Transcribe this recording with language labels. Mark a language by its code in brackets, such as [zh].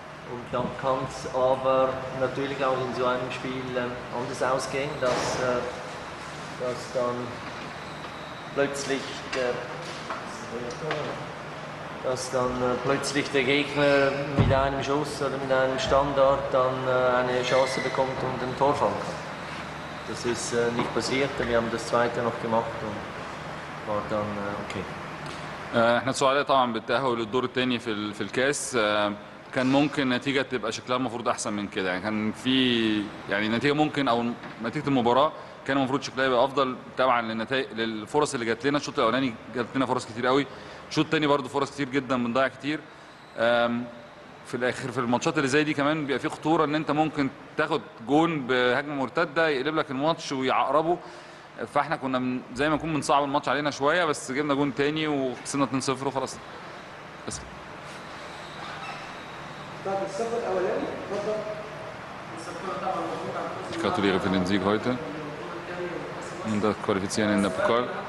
[de] Und dann kann es aber natürlich auch in so einem Spiel anders ausgehen, dass dann plötzlich der Gegner mit einem Schuss oder mit einem Standard dann eine Chance bekommt und ein Tor fangen kann. Das ist nicht passiert, wir haben das zweite noch gemacht und war dann okay. [ar] احنا السؤال طبعا بالتأهل للدور الثاني في الكاس كان ممكن النتيجة تبقى شكلها المفروض أحسن من كده، يعني كان في يعني نتيجة ممكن أو نتيجة المباراة كان المفروض شكلها يبقى أفضل تبعا للنتائج للفرص اللي جات لنا. الشوط الأولاني جات لنا فرص كتير قوي، الشوط الثاني برضه فرص كتير جدا بنضيع كتير. في الأخر في الماتشات اللي زي دي كمان بيبقى في خطورة إن أنت ممكن تاخد جون بهجمة مرتدة يقلب لك الماتش ويعقربه، فإحنا كنا زي ما يكون من صعب الماتش علينا شوية، بس جبنا جون تاني وكسبنا 2-0 وخلاص. [de] بس Gratuliere für den Sieg heute und das Qualifizieren in der Pokal.